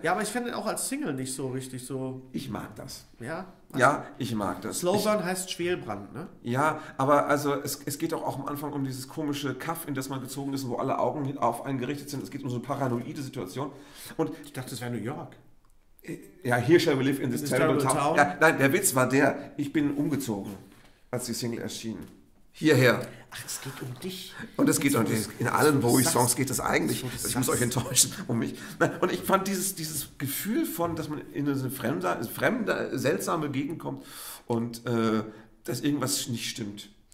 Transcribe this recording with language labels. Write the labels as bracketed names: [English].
[German] Ja, aber ich finde auch als Single nicht so richtig so... Ich mag das. Ja? Also ja, ich mag das. Slowburn heißt Schwelbrand, ne? Ja, aber also es geht auch am Anfang um dieses komische Kaff, in das man gezogen ist und wo alle Augen auf einen gerichtet sind. Es geht um so eine paranoide Situation. Und ich dachte, es wäre New York. [English] Ja, here shall we live in this terrible town. [German] Ja, nein, der Witz war der, ich bin umgezogen, als die Single erschien. Hierher. Ach, es geht um dich. Und es geht um dich. In allen Bowie-Songs geht es eigentlich. Ich muss euch enttäuschen, um mich. Und ich fand dieses Gefühl von, dass man in eine fremde, seltsame Gegend kommt und dass irgendwas nicht stimmt.